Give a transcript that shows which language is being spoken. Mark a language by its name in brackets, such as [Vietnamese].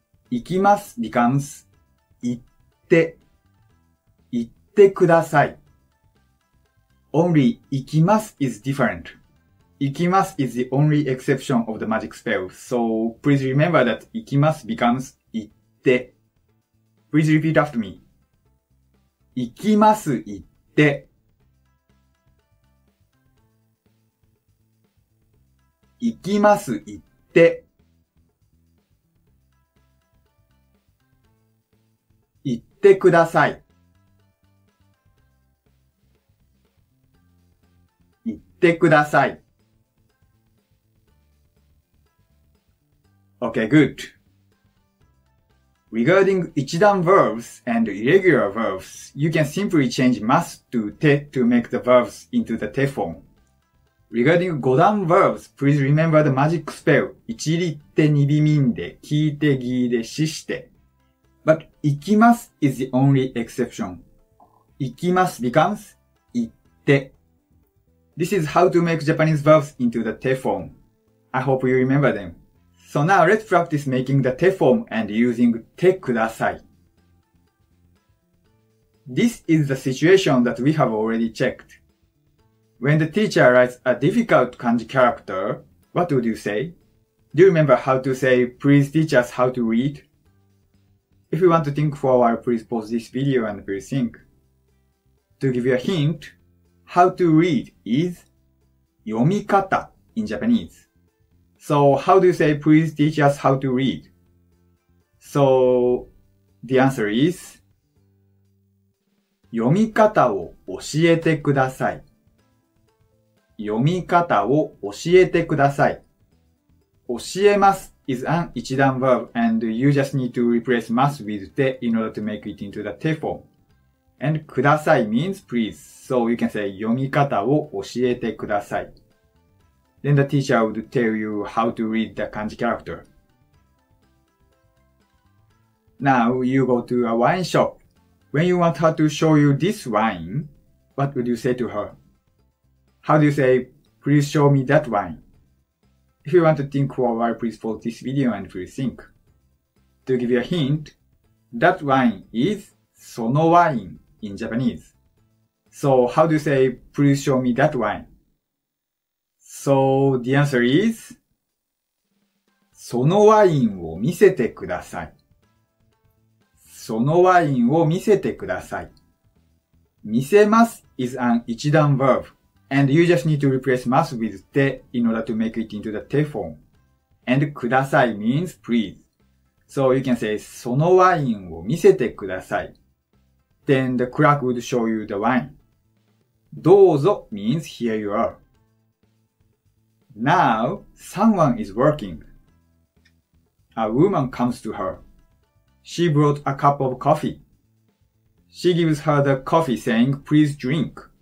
[English] 行きます becomes 行って、行ってください。 Only 行きます is different. 行きます is the only exception of the magic spell. So please remember that 行きます becomes 行って。 Please repeat after me. [Japanese] 行きます行って。行きます行って行ってください行ってください [English] Okay, good. Regarding 一段 verbs and irregular verbs, you can simply change mas to te to make the verbs into the te form. Regarding 五段 verbs, please remember the magic spell. 一里手に微民で聞いて義で死して。 But 行きます is the only exception. 行きます becomes 行って。 This is how to make Japanese verbs into the te form. I hope you remember them. So now let's practice making the te form and using てください。 This is the situation that we have already checked. When the teacher writes a difficult kanji character, what would you say? Do you remember how to say, please teach us how to read? If you want to think for a while, please pause this video and rethink. To give you a hint, how to read is 読み方 in Japanese. So how do you say, please teach us how to read? So the answer is [Japanese] 読み方を教えてください。読み方を教えてください。 [English] 教えます is an 一段 verb and you just need to replace ます with て in order to make it into the te form. And ください means please. So you can say [Japanese] 読み方を教えてください。 [English] Then the teacher would tell you how to read the kanji character. Now you go to a wine shop. When you want her to show you this wine, what would you say to her? How do you say, please show me that wine? If you want to think for a while, please pause this video and please think. To give you a hint, that wine is そのワイン in Japanese. So how do you say, please show me that wine? So the answer is, [Japanese] そのワインを見せてください。そのワインを見せてください。 [English] 見せます is an 一段 verb. And you just need to replace ます with て in order to make it into the て form. And ください means please. So you can say [Japanese] そのワインを見せてください。 [English] Then the clerk would show you the wine. どうぞ means here you are. Now someone is working. A woman comes to her. She brought a cup of coffee. She gives her the coffee saying please drink.